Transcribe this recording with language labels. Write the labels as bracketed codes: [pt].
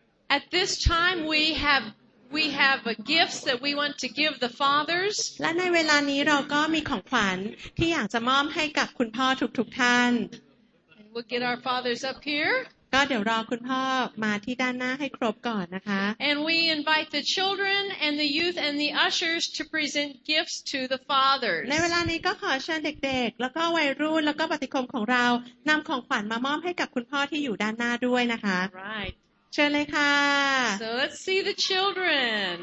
[en] At this time we have gifts that we want to give the fathers. [th] และในเวลานี้เราก็มีของขวัญที่อยากจะมอบให้กับคุณพ่อทุกท่าน [en] We'll get our fathers up here. [th] ก็เดี๋ยวรอคุณพ่อมาที่ด้านหน้าให้ครบก่อนนะคะ [en] And we invite the children and the youth and the ushers to present gifts to the fathers. [th] ในเวลานี้ก็ขอเชิญเด็กๆแล้วก็วัยรุ่นแล้วก็ปฏิคมของเรานำของขวัญมามอบให้กับคุณพ่อที่อยู่ด้านหน้าด้วยนะคะ [en] Right. [th] เชิญเลยค่ะ [en] So let's see the children.